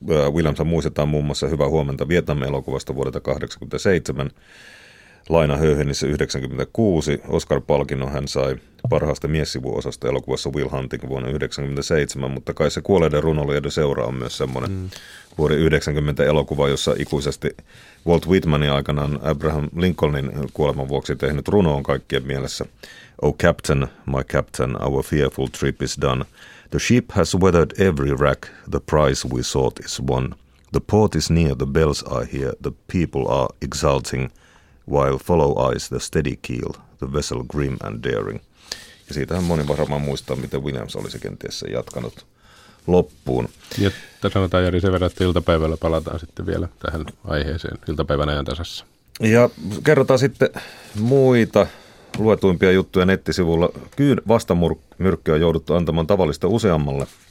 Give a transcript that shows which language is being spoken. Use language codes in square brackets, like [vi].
[fi] Williams muistetaan muun muassa Hyvä huomenta Vietnam-elokuvasta vuodelta 1987, Laina Höyhenissä 1996, Oscar-palkinnon hän sai parhaasta miessivuosasta elokuvassa Will Hunting vuonna 1997, mutta kai se kuolleiden runoilijoiden seura on myös semmoinen vuoden 90 elokuva, jossa ikuisesti Walt Whitmanin aikanaan Abraham Lincolnin kuoleman vuoksi tehnyt runo on kaikkien mielessä. [en] Oh captain, my captain, our fearful trip is done. The ship has weathered every wreck, the prize we sought is won. The port is near, the bells are here, the people are exulting, while follow eyes the steady keel, the vessel grim and daring. [fi] Ja siitähän moni varmaan muistaa, miten Williams olisi kenties sen jatkanut loppuun. Ja tässä sanotaan Jari sen verran, että iltapäivällä palataan sitten vielä tähän aiheeseen iltapäivän Ajantasassa. Ja kerrotaan sitten muita luetuimpia juttuja nettisivulla. Kyyn vastamyrkkyä on jouduttu antamaan tavallista useammalle.